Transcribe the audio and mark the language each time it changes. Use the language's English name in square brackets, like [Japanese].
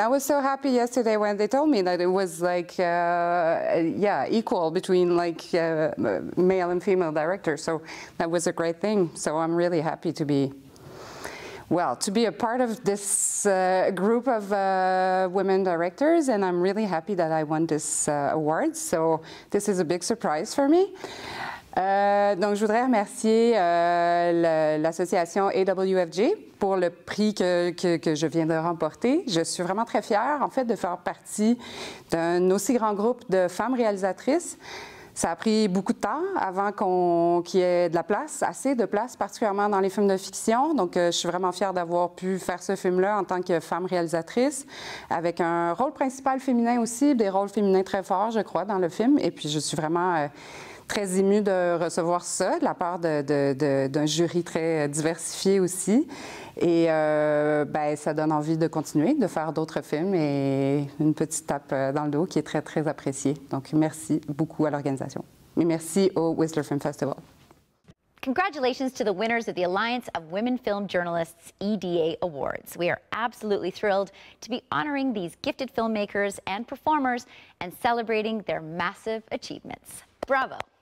[English] I was so happy yesterday when they told me that it was like, equal between like male and female directors. So, that was a great thing. So, I'm really happy to be Well, to be a part of this group of women directors, and I'm really happy that I won this award. So this is a big surprise for me. [French] Donc, je voudrais remercier l'association AWFG pour le prix que je viens de remporter. Je suis vraiment très fière, en fait, de faire partie d'un aussi grand groupe de femmes réalisatrices. Ça a pris beaucoup de temps avant qu'il y ait de la place, assez de place, particulièrement dans les films de fiction. Donc, je suis vraiment fière d'avoir pu faire ce film-là en tant que femme réalisatrice, avec un rôle principal féminin aussi, des rôles féminins très forts, je crois, dans le film. Et puis, je suis vraiment très émue de recevoir ça de la part d'un jury très diversifié aussi. Et ben, ça donne envie de continuer, de faire d'autres films et une petite tape dans le dos qui est très, très appréciée. Donc, merci beaucoup à l'organisation. Et merci au Whistler Film Festival. [English] Congratulations to the winners of the Alliance of Women Film Journalists EDA Awards. We are absolutely thrilled to be honoring these gifted filmmakers and performers and celebrating their massive achievements. Bravo.